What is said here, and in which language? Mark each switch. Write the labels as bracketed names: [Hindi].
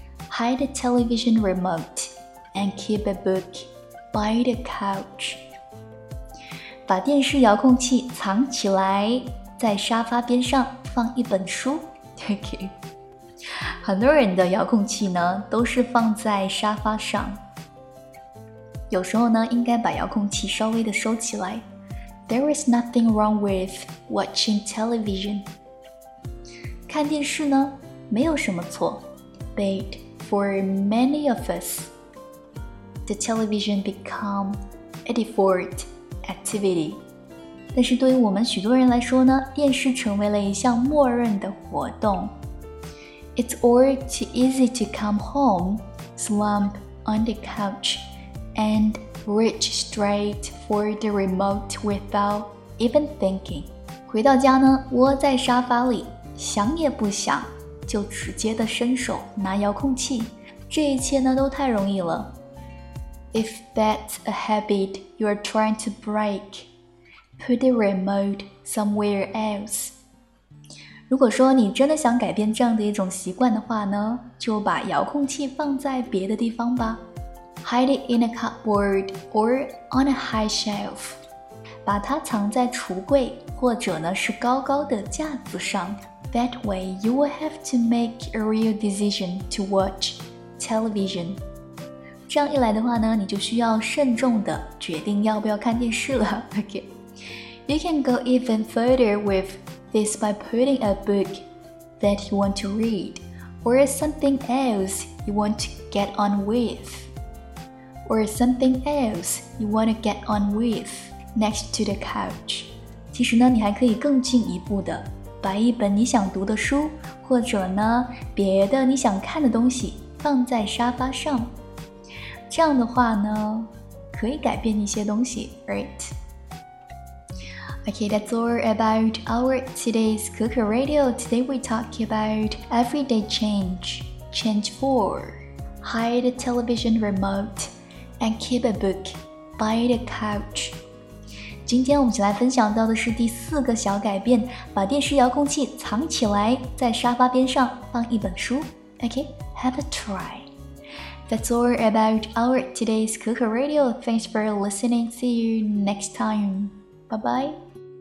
[English] Hide a television remote and keep a book by the couch. [Chinese] 把电视遥控器藏起来，在沙发边上放一本书。 [English] Thank you. [Chinese] 很多人的遥控器呢，都是放在沙发上。有时候呢，应该把遥控器稍微的收起来。 [English] There is nothing wrong with watching television. [Chinese] 看电视呢，没有什么错。 [English] But for many of us, the television become a default activity. [Chinese] 但是对于我们许多人来说呢，电视成为了一项默认的活动。 [English] It's all too easy to come home, slump on the couch, and reach straight for the remote without even thinking. [Chinese] 回到家呢，窝在沙发里。想也不想就直接的伸手拿遥控器，这一切呢都太容易了。 [English] If that's a habit you're trying to break, put the remote somewhere else. [Chinese] 如果说你真的想改变这样的一种习惯的话呢，就把遥控器放在别的地方吧。 [English] Hide it in a cupboard or on a high shelf. [Chinese] 把它藏在橱柜或者呢是高高的架子上。 [English] That way, you will have to make a real decision to watch television. [Chinese] 这样一来的话呢，你就需要慎重地决定要不要看电视了。 [English] Okay. You can go even further with this by putting a book that you want to read, or something else you want to get on with, next to the couch. [Chinese] 其实呢，你还可以更进一步的。把一本你想读的书，或者呢别的你想看的东西放在沙发上，这样的话呢可以改变一些东西 ， [English] right? Okay, that's all about our today's Cuckoo Radio. Today we talk about everyday change. Change four: hide a television remote and keep a book by the couch. [Chinese] 今天我们一起来分享到的是第四个小改变，把电视遥控器藏起来，在沙发边上放一本书。 [English] Okay, have a try. That's all about our today's Cuckoo Radio. Thanks for listening. See you next time. Bye-bye.